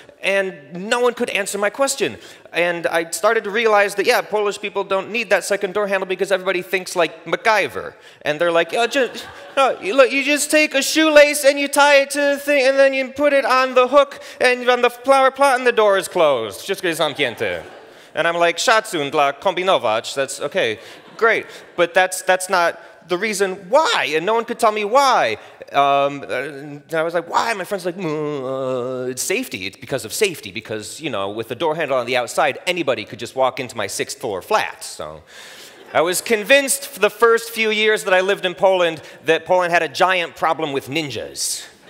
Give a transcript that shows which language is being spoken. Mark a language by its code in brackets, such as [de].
[en] And no one could answer my question. And I started to realize that, yeah, Polish people don't need that second door handle because everybody thinks like MacGyver. And they're like, oh, just, no, look, you just take a shoelace and you tie it to the thing and then you put it on the hook and on the flower plot and the door is closed. [pl] Wszystko jest zamknięte. [en] And I'm like, [pl] szacun dla kombinować. [en] That's okay, great. But that's not the reason why. And no one could tell me why. And I was like, why? My friend's like, it's safety. It's because of safety. Because, you know, with the door handle on the outside, anybody could just walk into my sixth floor flat. So I was convinced for the first few years that I lived in Poland that Poland had a giant problem with ninjas.